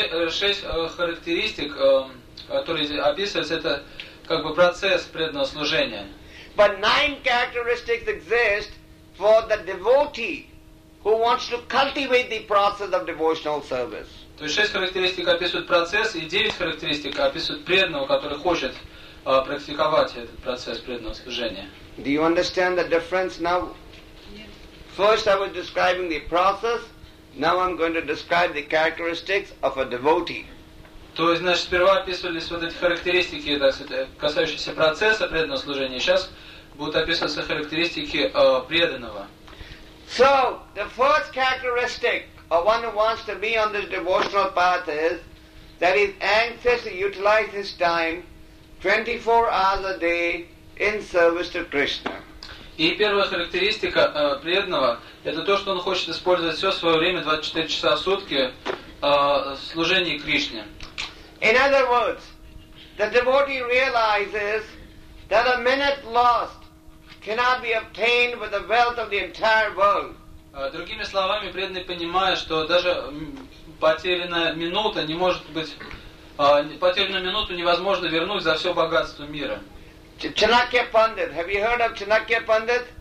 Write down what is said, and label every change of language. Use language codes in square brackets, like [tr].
[ru] Шесть характеристик, которые здесь описываются, это как бы процесс преданного служения. [en] But nine characteristics exist for the devotee who wants to cultivate the process of devotional service. [ru] То есть шесть характеристик описывают процесс, и девять характеристик описывают преданного, который хочет практиковать этот процесс преданного служения. [en] Do you understand the difference now? Yes. First I was describing the process, now I'm going to describe the characteristics of a devotee. [ru] То есть, значит, сперва описывались вот эти характеристики, так сказать, касающиеся процесса преданного служения, сейчас будут описываться характеристики преданного. [en] So, the first characteristic of one who wants to be on this devotional path is that he's anxious to utilize his time 24 hours a day in service to Krishna. [ru] И первая характеристика преданного – это то, что он хочет использовать все свое время, 24 часа в сутки, в служении Кришне. [en] In other words, the devotee realizes that a minute lost cannot be obtained with the wealth of the entire world. [ru] Другими словами, преданный понимает, что даже потерянная минута не может быть потерянную минуту невозможно вернуть за все богатство мира. [en] Chanakya Pandit, have you heard of Chanakya Pandit?